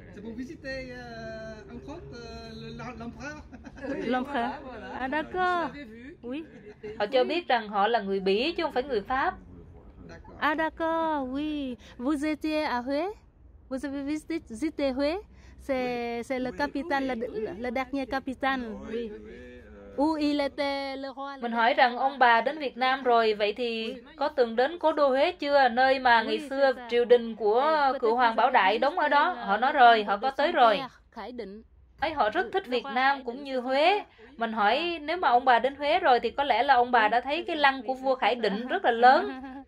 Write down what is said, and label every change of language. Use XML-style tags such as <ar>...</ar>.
<fr>C'est pour visiter un autre, l'empereur. L'empereur. À, d'accord. Oui.</fr> <vi>Họ cho biết rằng họ là người Bỉ chứ không phải người Pháp.</vi> <fr>À, d'accord, oui. Vous étiez à Huế? Vous avez visité Huế? C'est le capitaine, le dernier capitaine. Oui. Où il était le roi?</fr> <vi>Mình hỏi rằng ông bà đến Việt Nam rồi, vậy thì có từng đến cố đô Huế chưa, nơi mà ngày xưa triều đình của cựu hoàng Bảo Đại đóng ở đó? Họ nói rồi, họ có tới rồi. Thấy họ rất thích Việt Nam cũng như Huế. Mình hỏi nếu mà ông bà đến Huế rồi thì có lẽ là ông bà đã thấy cái lăng của vua Khải Định rất là lớn.</vi>